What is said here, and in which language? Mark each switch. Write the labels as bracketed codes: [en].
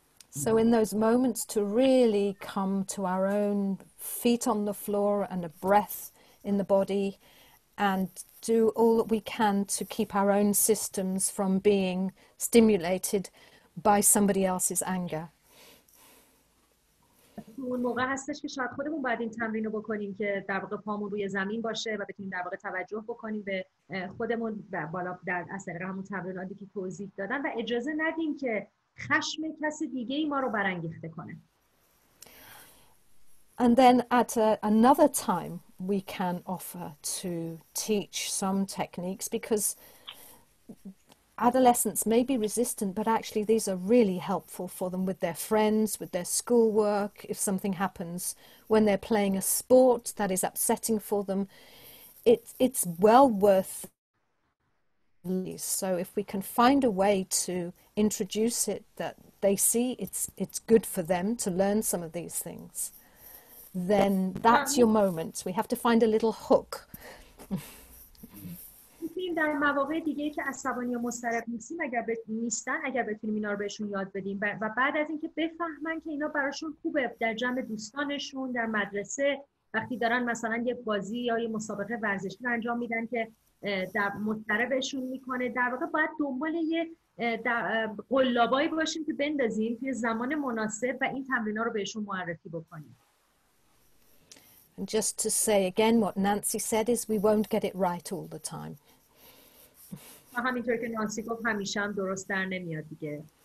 [en] So in those moments to really come to our own feet on the floor and a breath in the body and do all that we can to keep our own systems from being stimulated by somebody else's anger. [fa] اون موقع هستش که شاید خودمون باید این تمرین رو بکنیم که در واقع پامون روی زمین باشه و بتونیم در واقع توجه بکنیم به خودمون و بالا در اثر همون تمریناتی که توضیح دادن و اجازه ندیم که خشم کس دیگه ای ما رو برانگیخته کنه. [en] And then at another time we can offer to teach some techniques because adolescents may be resistant, but actually these are really helpful for them with their friends, with their schoolwork. If something happens when they're playing a sport that is upsetting for them, it's well worth it. So if we can find a way to introduce it that they see it's good for them to learn some of these things, then that's your moment. We have to find a little hook. [fa] در مواقع دیگه که عصبانی و مضطرب نیستیم اگر نیستن، اگر بتونیم اینا رو بهشون یاد بدیم و بعد از اینکه بفهمن که اینا براشون خوبه در جمع دوستانشون در مدرسه وقتی دارن مثلا یه بازی یا یه مسابقه ورزشی انجام میدن که در مضطربشون میکنه، در واقع باید دنبال یه قلابایی باشیم که بندازیم توی زمان مناسب و این تمرینا رو بهشون معرفی بکنیم. [en] And just to say again what Nancy said is we won't get it right all the time. [fa] و همینطور که نانسی گفت همیشه هم درست در نمیاد دیگه.